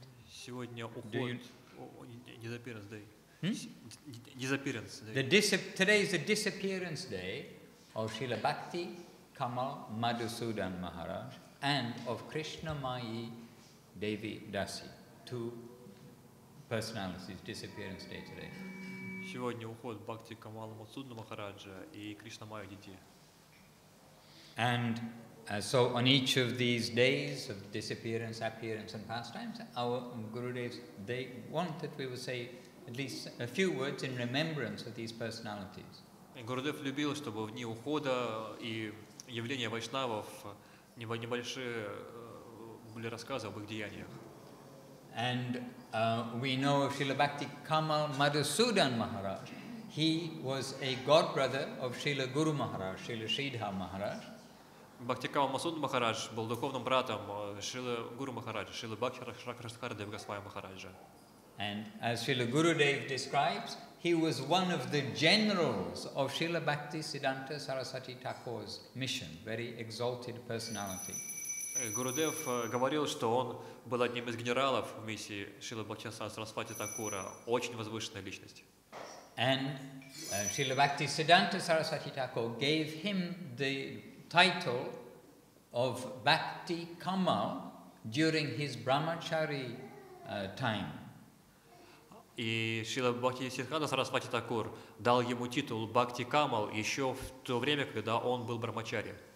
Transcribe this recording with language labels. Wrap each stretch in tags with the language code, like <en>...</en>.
<ru>Сегодня уход</ru> <en>disappearance day. Disappearance day. Today is the disappearance day of Srila Bhakti Kamal Madhusudan Maharaj and of Krishnamayi Devi Dasi. Two personalities disappearance day today.</en> <ru>Сегодня уход Бхакти Камала Мадхусудана Махараджа и Кришнамайи Деви.</ru> <en>And so on each of these days of disappearance, appearance and pastimes, our Gurudevs, they want that we would say at least a few words in remembrance of these personalities.</en> <ru>Гурудев любил, чтобы в дни ухода и явления вайшнавов небольшие были рассказы об их деяниях.</ru> <en>And we know of Srila Bhakti Kamal Madhusudan Maharaj. He was a godbrother of Srila Guru Maharaj, Srila Sridhar Maharaj.</en> <ru>Бхакти Камал Мадхусудан Махарадж был духовным братом Шрилы Гуру Махараджа, Шрилы Бхакти Шакрасхардева Госвами Махараджа.</ru> <en>And as Srila Gurudev describes, he was one of the generals of Srila Bhakti Siddhanta Sarasvati Thakur's mission, very exalted personality.</en> <ru>Гурудев говорил, что он был одним из генералов в миссии Шрилы Бхакти Сарасвати Такура, очень возвышенная личность.</ru> <en>And Srila Bhakti Siddhanta Sarasvati Thakur gave him the title of Bhakti Kamal during his brahmachari time.</en> <ru>И Шрила Бхакти Сиддханта Сарасвати Такур дал ему титул Бхакти Камал еще в то время, когда он был брахмачари.</ru>